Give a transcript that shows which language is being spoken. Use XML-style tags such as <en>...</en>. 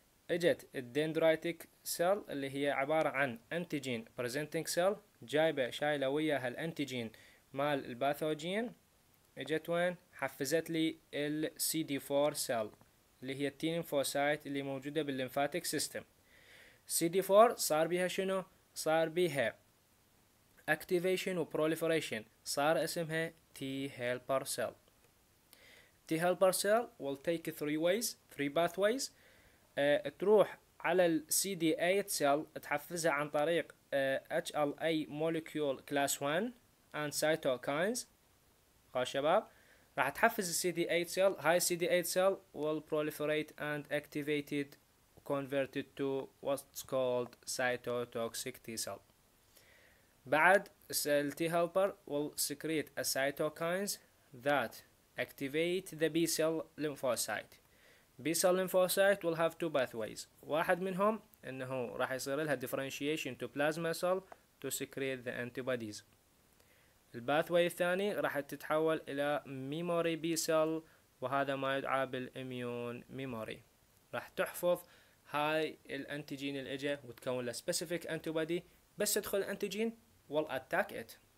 <ar>اجت الدندرايتيك سيل اللي هي عبارة عن انتيجين بريزنتينج سيل، جايبة شايلة وياها الانتيجين مال الباثوجين، اجت وين؟ حفزت لي ال سي دي 4 سيل اللي هي التي ليمفوسايت اللي موجودة بالليمفاتيك سيستم. سي دي 4 صار بيها شنو؟ صار بيها اكتيفيشن وبروليفريشن، صار اسمها تي هيلبر سيل.</ar> <en>T helper cell will take three ways, three pathways.</en> <ar>تروح على ال CD8 سيل تحفزها عن طريق HLA molecule class 1 and cytokines.</ar> <en>خلاص شباب راح تحفز ال CD8 سيل، هاي ال CD8 cell will proliferate and activated converted to what's called cytotoxic T cell. بعد ال T helper will secrete a cytokines that activate the B cell lymphocyte. B cell lymphocyte will have two pathways. واحد منهم انه راح يصير لها differentiation to plasma cell to secrete the antibodies.</en> <ar>الباثوي الثاني راح تتحول الى memory B cell، وهذا ما يدعى بالimmune memory. راح تحفظ هاي الانتيجين اللي اجى وتكون له specific antibody، بس تدخل الانتيجين will attack it.</ar>